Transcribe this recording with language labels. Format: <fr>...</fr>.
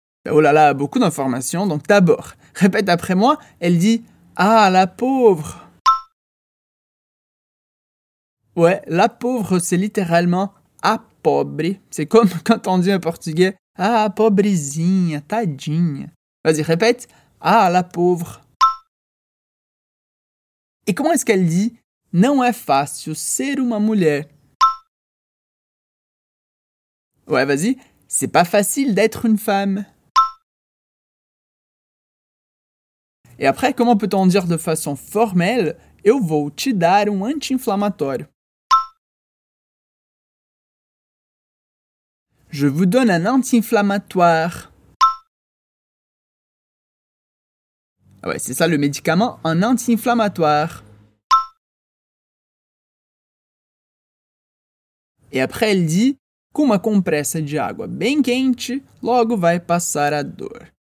<fr>Oh là là, beaucoup d'informations, donc d'abord, répète après moi, elle dit « Ah, la pauvre !» Ouais, « la pauvre », c'est littéralement «</fr> <pt>a pobre ».</pt> <fr>C'est comme quand on dit en portugais «</fr> <pt>Ah, pobrezinha, tadinha ».</pt> <fr>Vas-y, répète « Ah, la pauvre !» Et comment est-ce qu'elle dit «</fr> <pt>Não é fácil ser uma mulher ».</pt> <fr>Ouais, vas-y, c'est pas facile d'être une femme. Et après, comment peut-on dire de façon formelle «</fr> <pt>Eu vou te dar</pt> <fr>anti-inflammatoire ». Je vous donne un anti-inflammatoire. Ouais, c'est ça le médicament, un anti-inflammatoire. Et après, elle dit</fr> <pt>com uma compressa de água bem quente, logo vai passar a dor.</pt>